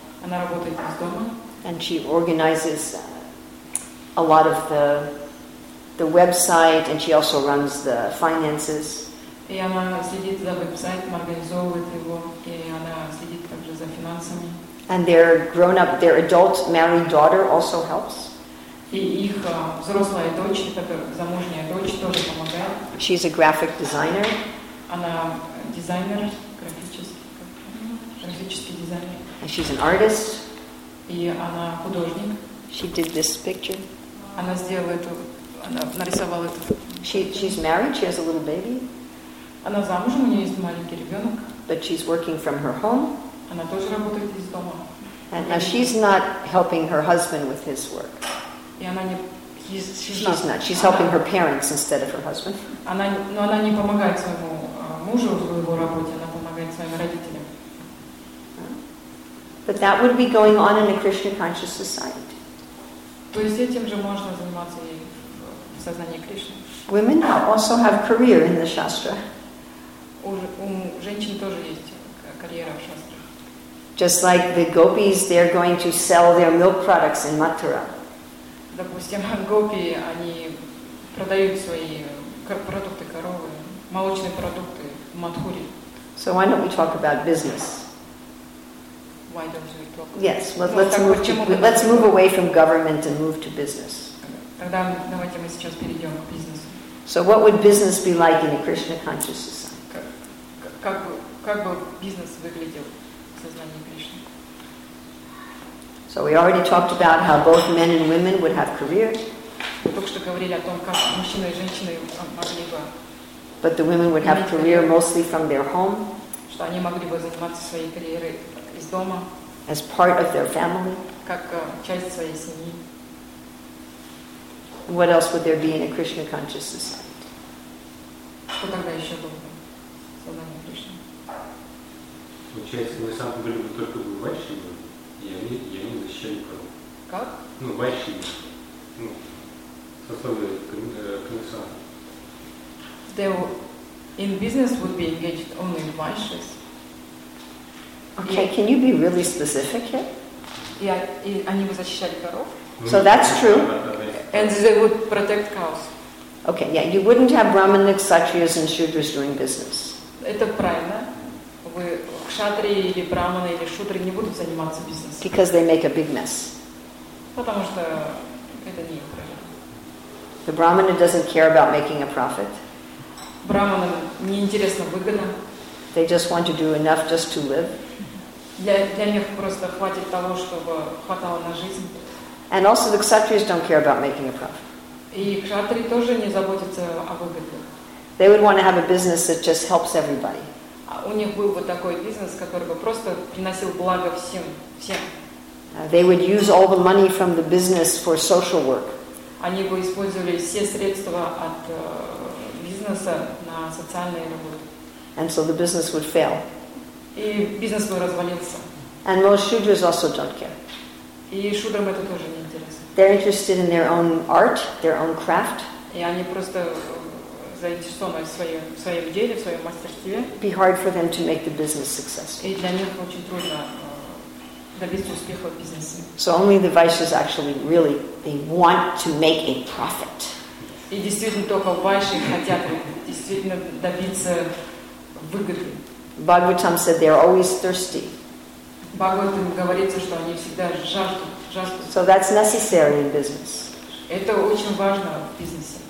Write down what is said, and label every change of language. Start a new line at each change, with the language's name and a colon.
English: And she organizes a lot of the website, and she also runs the finances. And she also runs the website, and she also runs the finances. And their grown-up, their adult married daughter also helps.
Russian: И их взрослая дочь, которая замужняя дочь, тоже помогает.
English: She's a graphic designer.
Russian: Она дизайнер, графический дизайнер.
English: And she's an artist.
Russian: И она художник.
English: She did this picture.
Russian: Она сделала эту, она нарисовала эту.
English: She's married. She has a little baby.
Russian: Она замужем, у нее есть маленький ребенок.
English: But she's working from her home.
Russian: Она тоже работает из дома.
English: And now she's not helping her husband with his work.
Russian: И она не,
English: she's not. She's helping her parents instead of her husband.
Russian: Она, но она не помогает своему мужу в его работе. Она помогает своим родителям.
English: But that would be going on in a Krishna conscious society.
Russian: То есть этим же можно заниматься и в сознании Кришны.
English: Women also have career in the Shastra.
Russian: У женщин тоже есть карьера в Шастре.
English: Just like the gopis, they're going to sell their milk products in Mathura.
Russian: Допустим, гопи, они продают свои продукты коровы, молочные продукты в Мадхуре.
English: So why don't we talk about business? Why don't we talk? Yes, let's move away from government and move to business.
Russian: Тогда давайте мы сейчас перейдем к бизнесу.
English: So what would business be like in a Krishna conscious society?
Russian: Как бы бизнес выглядел в сознании Кришны?
English: So we already talked about how both men and women would have careers.
Russian: Мы только что говорили о том, как мужчина и женщина могли бы.
English: But the women would have career mostly from their home.
Russian: Что они могли бы заниматься своей карьерой из дома.
English: As part of their family.
Russian: Как часть своей семьи.
English: What else would there be in a Krishna conscious society?
Russian: Что тогда еще было бы в сознании Кришны? Получается, мы сам были бы только бы вайшнавы, и они защищали корову. Как? Ну, вайшнавы. Ну, сословие Крисан.
English: In business would be engaged only in vaishnavas. Okay, yeah. Can you be really specific here?
Russian: Yeah, и они бы защищали коров.
English: So that's true. And they would protect cows. Okay, yeah, you wouldn't have Brahmins, Kshatriyas and Shudras doing business.
Russian: Это правильно. Вы кшатри или браманы или шудры не будут заниматься бизнесом.
English: Because they make a big mess.
Russian: Потому что это не их.
English: The brahmana doesn't care about making a profit.
Russian: Браманам не интересна выгода.
English: They just want to do enough just to live.
Russian: Для них просто хватит того, чтобы хватало на жизнь.
English: And also the kshatriyas don't care about making a profit.
Russian: И кшатри тоже не заботятся о выгоде.
English: They would want to have a business that just helps everybody.
Russian: У них был бы такой бизнес, который бы просто приносил благо всем.
English: They would use all the money from the business for social work.
Russian: Они бы использовали все средства от бизнеса на социальные работы.
English: And so the business would fail.
Russian: И бизнес бы развалился.
English: And most shudras also don't care.
Russian: И шудрам это тоже не интересно.
English: They're interested in their own art, their own craft.
Russian: И они просто заинтересованы в своем деле, в своем мастерстве.
English: Be hard for them to make the business successful.
Russian: И для них очень трудно добиться успеха в бизнесе.
English: So only the vaishyas actually really they want to make a profit.
Russian: И действительно только вайши хотят действительно добиться выгоды.
English: Bhagavatam said they are always thirsty.
Russian: Бхагаватам говорится, что они всегда жаждут.
English: So that's necessary in business.
Russian: Это очень важно в бизнесе.